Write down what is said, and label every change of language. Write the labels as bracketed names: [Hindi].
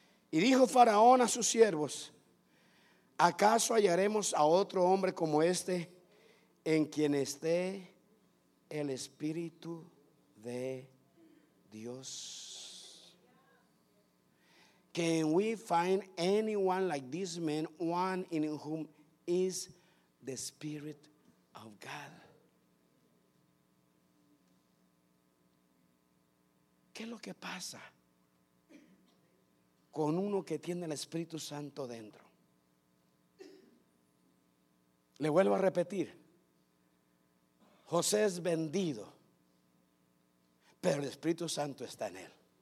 [Spanish] Y dijo Faraón a sus siervos: ¿acaso hallaremos a otro hombre como este en quien esté el Espíritu de Dios? [English] Can we find anyone like this man, one in whom is the Spirit of God? [Spanish] ¿Qué es lo que pasa con uno que tiene el Espíritu Santo dentro? Le vuelvo a repetir: José es vendido, pero el Espíritu Santo está en él.